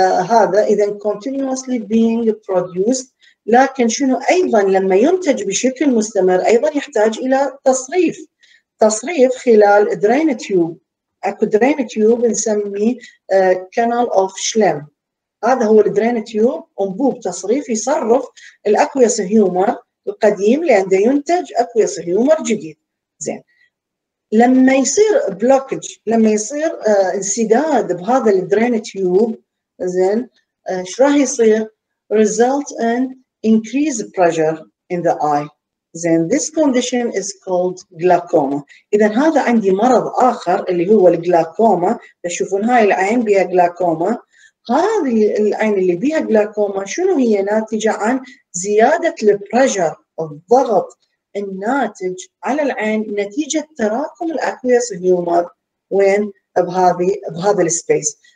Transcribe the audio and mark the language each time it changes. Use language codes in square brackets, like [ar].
[ar] هذا اذا [en] continuously being produced، [ar] لكن شنو ايضا لما ينتج بشكل مستمر ايضا يحتاج الى تصريف. تصريف خلال drain tube. اكو drain tube نسميه canal of Schlemm. هذا هو drain tube، انبوب تصريف يصرف الاكويس هيومر القديم لانه ينتج اكويس هيومر جديد زين. لما يصير بلوكج، لما يصير انسداد بهذا الدرين تيوب زين، ايش راح يصير؟ [en] result in increased pressure in the eye. زين this condition is called glaucoma. [ar] اذا هذا عندي مرض اخر اللي هو الجلاكوما. تشوفون هاي العين بها جلاكوما، هذه العين اللي بها جلاكوما شنو هي؟ ناتجه عن زياده البريشر، الضغط الناتج على العين نتيجة تراكم الأكويس هيومر وين؟ بهذا السبيس.